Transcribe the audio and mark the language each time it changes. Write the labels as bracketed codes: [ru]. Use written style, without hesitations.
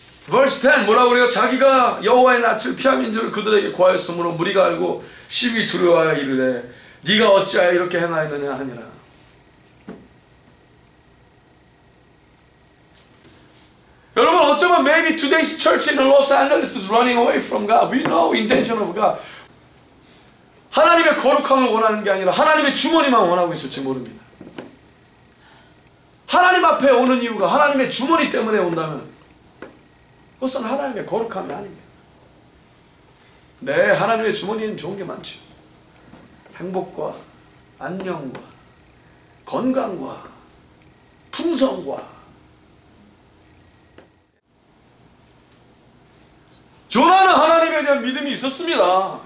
[ko] 버스 10 뭐라고 그래요? 자기가 여호와의 낯을 피함인 줄 그들에게 고하였으므로 무리가 알고 심히 두려워하여 이르되 네가 어찌하여 이렇게 행하였느냐 하니라. 여러분 어쩌면 [en] maybe today's church in Los Angeles is running away from God. We know intention of God. [ko] 하나님의 거룩함을 원하는 게 아니라 하나님의 주머니만 원하고 있을지 모릅니다. 하나님 앞에 오는 이유가 하나님의 주머니 때문에 온다면 그것은 하나님의 거룩함이 아닙니다. 네, 하나님의 주머니는 좋은 게 많죠. 행복과 안녕과 건강과 풍성과 요나는 하나님에 대한 믿음이 있었습니다.